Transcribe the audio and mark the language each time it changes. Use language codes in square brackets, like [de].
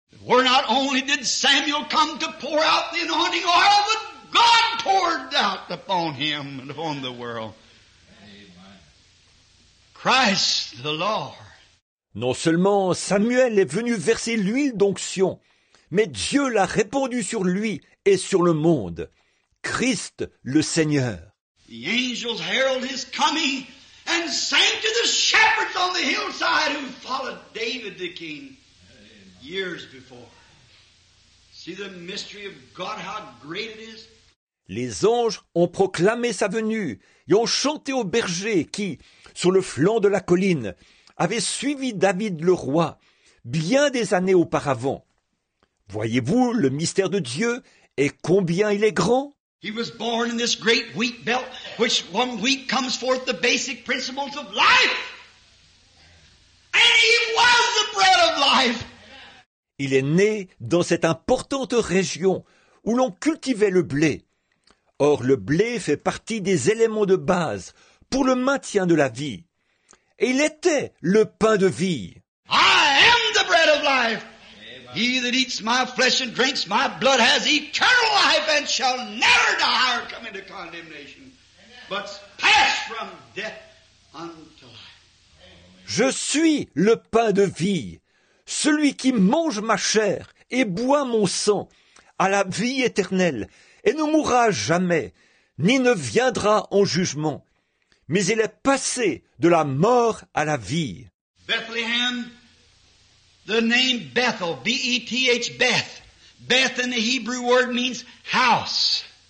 [en] Where not only did Samuel come to pour out the anointing oil, but God poured out upon him and upon the world. Christ the Lord. [fr] Non seulement Samuel est venu verser l'huile d'onction, mais Dieu l'a répandu sur lui et sur le monde. Christ le Seigneur. [en] The angels herald his coming and sang to the shepherds on the hillside who followed David the king years before. See the mystery of God, how great it is. [fr] Les anges ont proclamé sa venue et ont chanté aux bergers qui, sur le flanc de la colline, avaient suivi David le roi bien des années auparavant. Voyez-vous le mystère de Dieu et combien il est grand? [en] He was born in this great wheat belt, which one wheat comes forth the basic principles of life. And he was the bread of life. [fr] Il est né dans cette importante région où l'on cultivait le blé. Or, le blé fait partie des éléments de base pour le maintien de la vie. Et il était le pain de vie. [en] I am the bread of life. He that eats my flesh and drinks my blood has eternal life and shall never die or come into condemnation, but pass from death unto life. [fr] Je suis le pain de vie. Celui qui mange ma chair et boit mon sang a la vie éternelle et ne mourra jamais, ni ne viendra en jugement. Mais il est passé de la mort à la vie. [en] Bethlehem. The name Bethel, B-E-T-H, Beth. Beth in the Hebrew word means house.